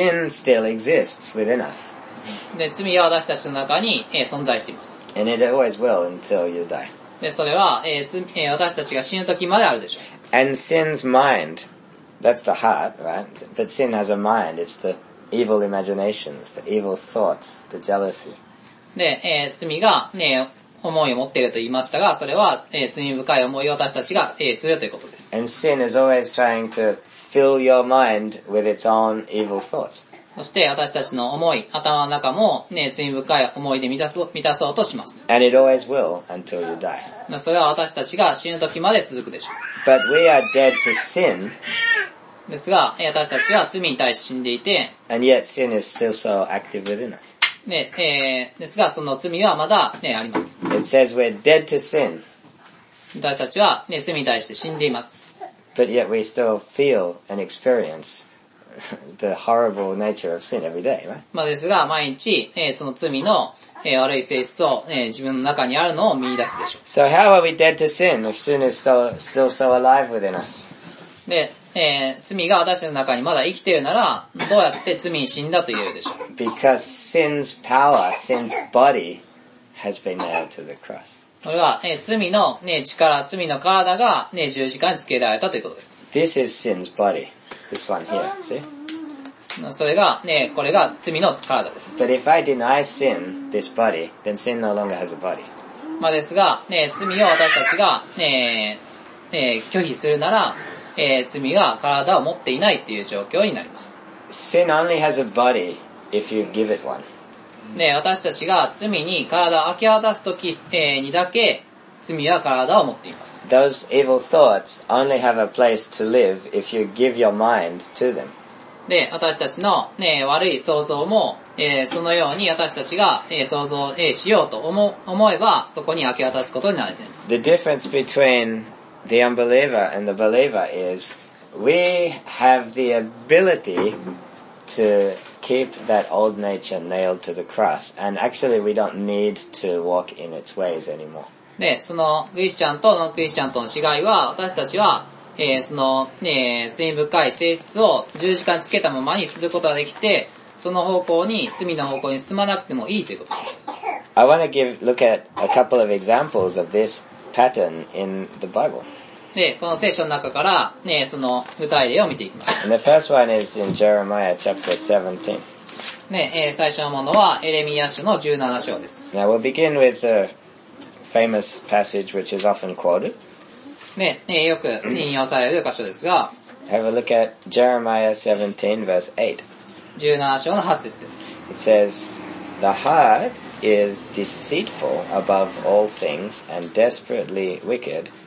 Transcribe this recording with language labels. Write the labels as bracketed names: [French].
[English] Sin still exists within us. [Japanese] で、罪は私たちの中に、存在しています。 [English] And it always will until you die. [Japanese] で、それは、私たちが死ぬ時まであるでしょう。 [English] And sin's mind, that's the heart, right? But sin has a mind, it's the evil imaginations, the evil thoughts, the jealousy. [Japanese] で、罪がね、思いを持っていると言いましたが、それは、罪深い思いを私たちが、するということです。 [English] And sin is always trying to fill your mind with its own evil thoughts. [Japanese] そして私たちの思い、頭の中も、ね、罪深い思いで満たそうとします。 [English] And it always will until you die. [Japanese] それは私たちが死ぬ時まで続くでしょう。 [English] But we are dead to sin. [Japanese] ですが、私たちは罪に対して死んでいて、 [English] And yet sin is still so active within us. [Japanese] ね、ですがその罪はまだねあります。 [English] It says we're dead to sin. [Japanese] 私たちはね罪に対して死んでいます。 [English] But yet we still feel and experience the horrible nature of sin every day, right? [Japanese] まあですが毎日、その罪の、悪い性質を、自分の中にあるのを見出すでしょう。 [English] So how are we dead to sin if sin is still so alive within us? [Japanese] で、罪が私の中にまだ生きているならどうやって罪に死んだと言えるでしょう。 [English] Because sin's power, sin's body has been nailed to the cross. [Japanese] これは、罪の、ね、力、罪の体が、ね、十字架につけられたということです。 [English] This is sin's body. This one here. See? [Japanese] それが、ね、これが罪の体です。 [English] But if I deny sin, this body, then sin no longer has a body. [Japanese] まあですが、ね、罪を私たちが、拒否するなら、罪が体を持っていないっていう状況になります。 [English] Sin only has a body. If you give it one. [Japanese] ね、私たちが罪に体を明け渡すときにだけ罪は体を持っています。 [English] Those evil thoughts only have a place to live if you give your mind to them. [Japanese] で、私たちの、ね、悪い想像も、そのように私たちが、想像、しようと 思えばそこに明け渡すことになっています。 [English] The difference between the unbeliever and the believer is we have the ability to keep that old nature nailed to the cross, and actually we don't need to walk in its ways anymore. [Japanese] で、そのクリスチャンとノンクリスチャンとの違いは、私たちは、その、罪深い性質を十字架につけたままにすることができて、その方向に、罪の方向に進まなくてもいいということです。 [English] I want to give, look at a couple of examples of this pattern in the Bible. [Japanese] で、この聖書の中から、その具体例を見ていきます。 [English] And the first one is in Jeremiah chapter 17. [Japanese] で、最初のものは、エレミヤ書の17章です。 [English] Now we'll begin with the famous passage which is often quoted. [Japanese] よく引用される箇所ですが、 [English] Have a look at Jeremiah 17 verse 8. 17 [Japanese] 章の8節です。 [English] It says, The heart is deceitful above all things and desperately wicked.